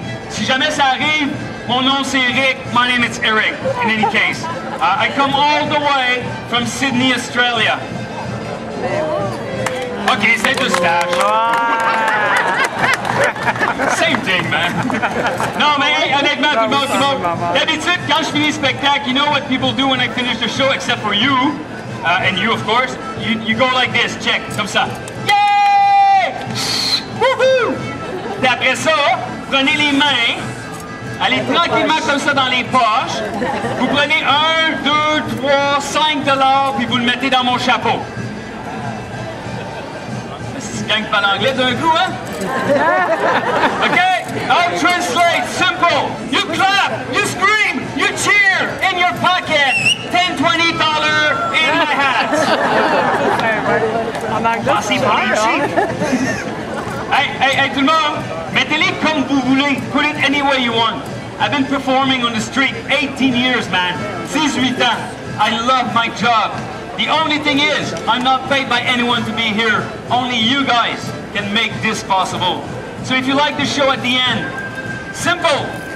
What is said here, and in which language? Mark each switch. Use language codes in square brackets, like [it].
[fr] Si jamais ça arrive, mon nom c'est Eric. [en] My name is Eric, in any case. I come all the way from Sydney, Australia. [fr] Okay, c'est de stage. [en] Same thing, man. [fr] Non, mais honnêtement, tout le monde. D'habitude, quand je finis le spectacle, [en] you know what people do when I finish the show, except for you, and you, of course. You go like this, check, [fr] comme ça. [en] Yay! Woohoo! [fr] Et après ça, prenez les mains, allez tranquillement comme ça dans les poches. Vous prenez $1, $2, $3, $5, puis vous le mettez dans mon chapeau. Gang pas l'anglais d'un coup, hein? Okay? [en] I'll translate. Simple. You clap, you scream, you cheer in your pocket. $10, $20 in my hat. [fr] En anglais, c'est pas cheap. Hey, tout le monde, mettez-les comme vous voulez. [en] Put it any way you want. I've been performing on the street 18 years, man. [fr] 18 ans. [en] I love my job. The only thing is, I'm not paid by anyone to be here. Only you guys can make this possible. So if you like the show at the end, simple.